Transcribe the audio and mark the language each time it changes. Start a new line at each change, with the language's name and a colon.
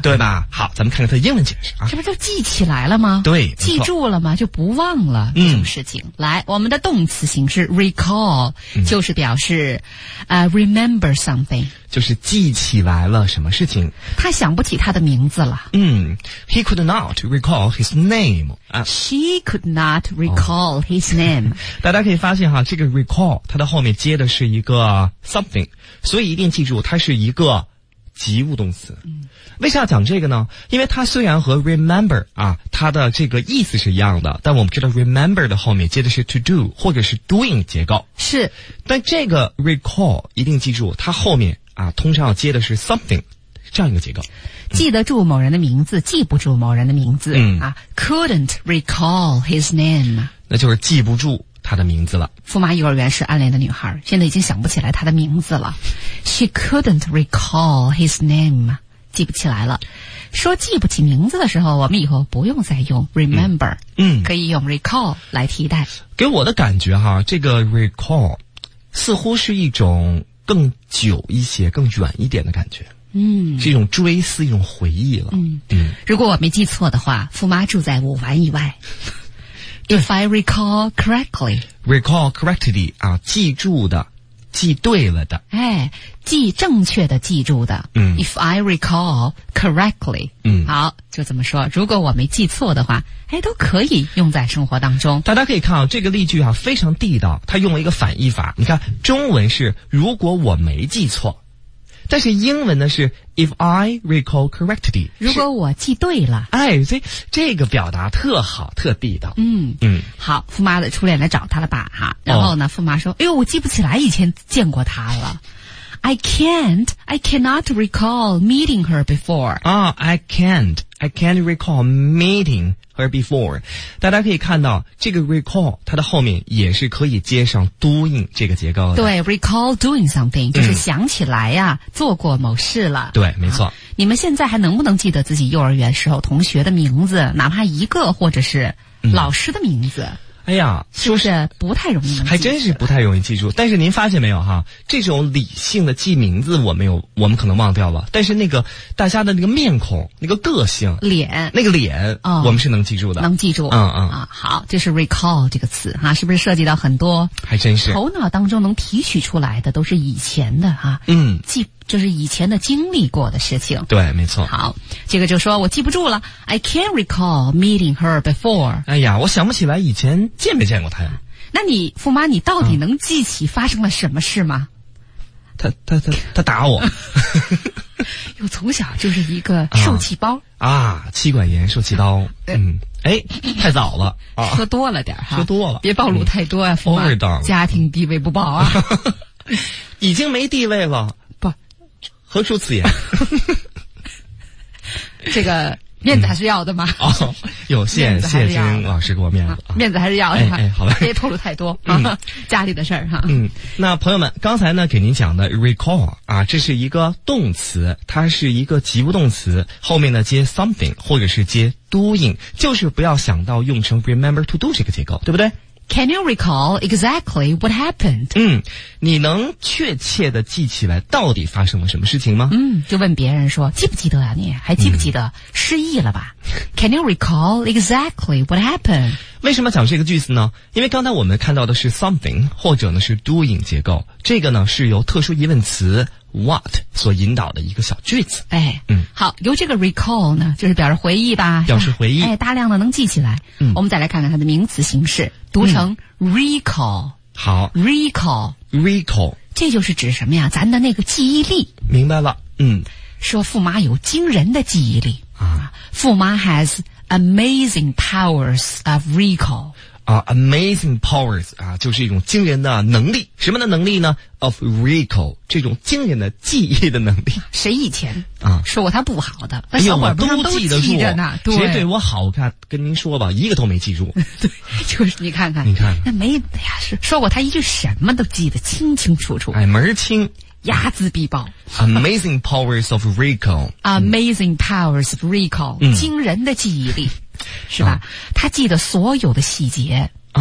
Chinese: 对吧？好，咱们看看它的英文解释啊。这不就记起来了吗？对。记住了吗？就不忘了这种事情。嗯，来，我们的动词形式 recall，就是表示
English: remember something。
Chinese: 就是记起来了什么事情。他想不起他的名字了。嗯。
English: He could not recall his name. She could not recall his name.
Chinese: 大家可以发现哈，这个 recall, 它的后面接的是一个something， 所以一定记住它是一个及物动词。为啥要讲这个呢？因为它虽然和 remember 啊，它的这个意思是一样的，但我们知道 remember 的后面接的是 to do 或者是 doing 结构。是，但这个 recall 一定记住它后面啊，通常要接的是 something 这样一个结构。记得住某人的名字，记不住某人的名字。嗯
English: 啊， couldn't recall his name，
Chinese: 那就是记不住他的名字了。驸马幼儿园是暗恋的女孩，现在已经想不起来他的名字了。
English: She couldn't recall his name，
Chinese: 记不起来了。说记不起名字的时候，我们以后不用再用 remember， 可以用 recall 来替代。给我的感觉哈，这个 recall 似乎是一种更久一些、更远一点的感觉。嗯，是一种追思，一种回忆了。如果我没记错的话，富妈住在五环以外。
English: If I recall correctly，
Chinese: recall correctly 啊，记住的，记对了的，哎，记正确的，记住的。嗯
English: ，If I recall correctly，
Chinese: 好，就这么说。如果我没记错的话，哎，都可以用在生活当中。大家可以看啊，这个例句啊非常地道，它用了一个反义法。你看，中文是如果我没记错。但是英文呢是
English: if I recall correctly，
Chinese: 如果我记对了，哎，所以这个表达特好，特地道。好，富妈的初恋来找他了吧？哈，然后呢，富妈说：“哎呦，我记不起来以前见过他了。
English: I cannot recall meeting her before。” 啊 ，I can't recall meeting her before。
Chinese: 大家可以看到，这个 recall 它的后面也是可以接上 doing 这个结构的。对 ，recall doing something 就是想起来呀、做过某事了。对，没错。你们现在还能不能记得自己幼儿园时候同学的名字，哪怕一个，或者是老师的名字？哎呀，说是不太容易记，还真是不太容易记住。但是您发现没有哈，这种理性的记名字，我们可能忘掉了。但是那个大家的那个面孔、那个个性、脸，那个脸，我们是能记住的，能记住。好，这是 recall 这个词哈，是不是涉及到很多？还真是，头脑当中能提取出来的都是以前的哈。记就是以前的经历过的事情。对，没错。好，这个就说我记不住了 ，I can't recall meeting her before。哎呀，我想不起来以前见没见过他呀？那你富妈，你到底能记起发生了什么事吗？他打我，又从小就是一个受气包妻管严，受气刀。哎，太早了，说多了点哈，说多了，别暴露太多啊，富妈，家庭地位不保啊，已经没地位了，不，何出此言？这个。面子还是要的吗？有谢金老师给我面子、面子还是要的、好吧，别透露太多、家里的事儿哈、那朋友们，刚才呢给您讲的 recall 啊，这是一个动词，它是一个及物动词，后面呢接 something 或者是接 doing， 就是不要想到用成 remember to do 这个结构，对不对？
English: Can you recall exactly what happened？
Chinese: 你能确切的记起来到底发生了什么事情吗？就问别人说记不记得啊，你还记不记得、失忆了吧？
English: Can you recall exactly what happened？
Chinese: 为什么讲这个句子呢？因为刚才我们看到的是 something 或者呢是 doing 结构，这个呢是由特殊疑问词 what 所引导的一个小句子。哎，好，由这个 recall 呢就是表示回忆吧，表示回忆，哎，大量的能记起来。我们再来看看它的名词形式，读成 recall。好，
English: recall recall，
Chinese: 这就是指什么呀？咱的那个记忆力。明白了。说富妈有惊人的记忆力啊，
English: 富妈 has amazing powers of recall
Chinese: 啊， amazing powers 啊，就是一种惊人的能力。什么的能力呢？ of recall， 这种惊人的记忆的能力。谁以前啊说过他不好的？那小伙儿不是都记着呢？对，谁对我好？我看跟您说吧，一个都没记住。对，就是你看看，你看那没，哎呀，说过他一句什么都记得清清楚楚。哎，门清。睚眦必报。
English: Amazing powers of recall. Amazing powers of recall.、
Chinese: 惊人的记忆力。是吧、他记得所有的细节。